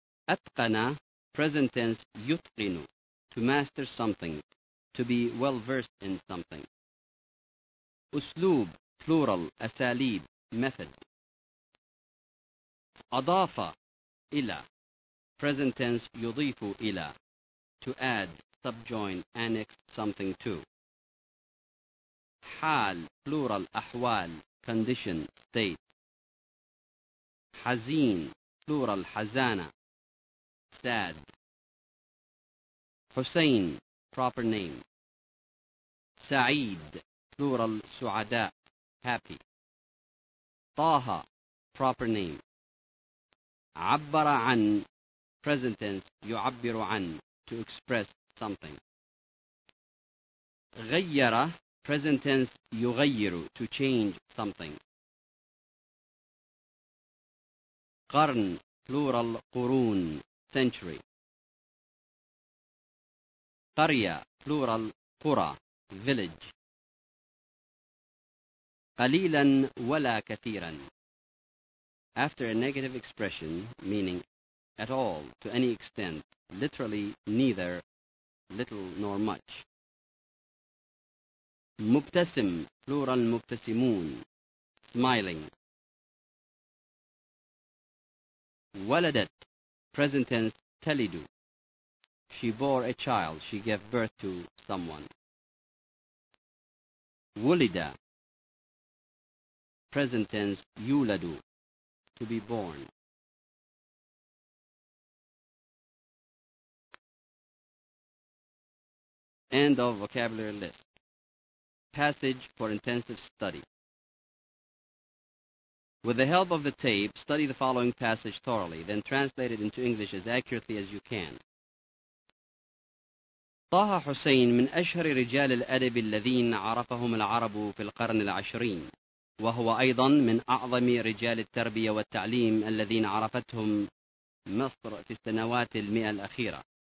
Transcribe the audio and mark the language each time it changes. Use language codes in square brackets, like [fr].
[en] أتقن, present tense, يتقن, to master something, to be well versed in something. أسلوب, plural, أساليب, method. أضاف, إلى, present tense, [ar] يضيف إلى, [en] to add, subjoin, annex something to. حال, plural, أحوال, condition, state. حزين, plural, حزانة, sad. حسين, proper name. سعيد, plural, سعداء, happy. طه, proper name. [ar] عبر عن, [en] present tense, [ar] يعبر عن, [en] to express something. غير, present tense, يغير, to change something. قرن, plural, قرون, century. قرية, plural, قرى, village. [ar] قليلا ولا كثيرا. [en] After a negative expression, meaning at all, to any extent, literally neither, little nor much. مبتسم, plural مبتسمون, smiling. ولدت, present tense تلد, she bore a child, she gave birth to someone. ولد, present tense يولد, to be born. End of vocabulary list. Passage for intensive study. With the help of the tape, study the following passage thoroughly, then translate it into English as accurately as you can. [ar] طه حسين من أشهر رجال الأدب الذين عرفهم العرب في القرن العشرين، وهو أيضا من أعظم رجال التربية والتعليم الذين عرفتهم مصر في السنوات المئة الأخيرة.